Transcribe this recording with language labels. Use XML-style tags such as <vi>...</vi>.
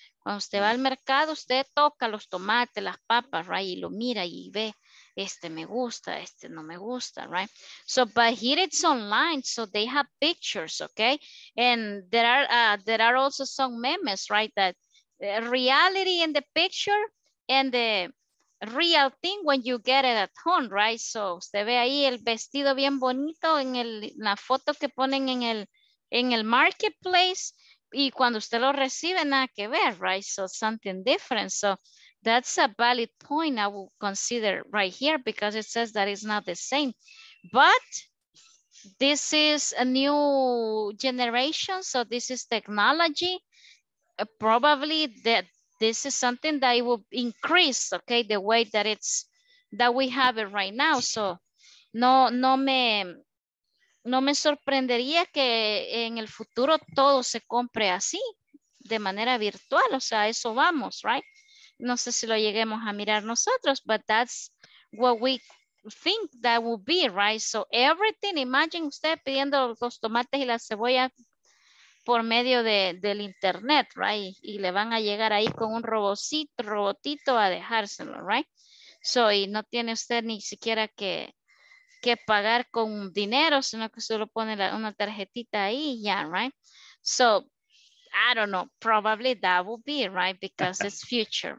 <es>Cuando usted va al mercado, usted toca los tomates, las papas, right? Y lo mira y ve. Este me gusta, este no me gusta, right?</es> <en>So, but here it's online, so they have pictures, okay? And there are also some memes, right? That reality in the picture and the real thing when you get it at home, right?</en> <es>So, usted ve ahí el vestido bien bonito en la foto que ponen en el marketplace y cuando usted lo recibe, nada que ver, right?</es> <en>So, something different, so... That's a valid point I will consider right here because it says that it's not the same. But this is a new generation, so this is technology. Probably that this is something that it will increase, okay, the way that it's that we have it right now.</en> <es>So no me sorprendería que en el futuro todo se compre así, de manera virtual. O sea, eso vamos, right? No sé si lo lleguemos a mirar nosotros,</es> <en>but that's what we think that would be, right? So everything, imagine</en> <es>usted pidiendo los tomates y la cebolla por medio del internet, right? Y le van a llegar ahí con un robotito a dejárselo, right? So y no tiene usted ni siquiera que pagar con dinero, sino que solo pone una tarjetita ahí y ya, right? So...</es> <en>I don't know, probably that will be right because it's future.</en>